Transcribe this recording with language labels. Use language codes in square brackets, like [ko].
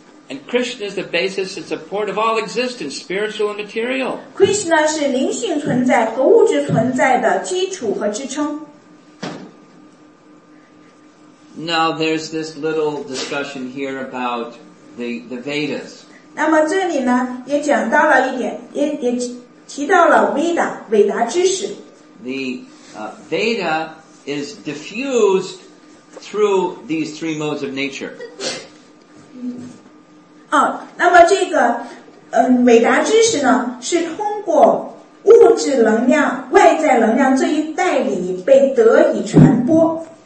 [en] And Krishna is the basis and support of all existence, spiritual and material. [zh] Krishna 是灵性存在和物质存在的基础和支撑。 [en] Now there's this little discussion here about the Vedas. [zh] 那么这里呢也讲到了一点 也提到了 Veda 伟达知识 [en] The Veda is diffused through these three modes of nature [zh] 哦，那么这个伟达知识呢是通过物质能量外在能量这一代理被得以传播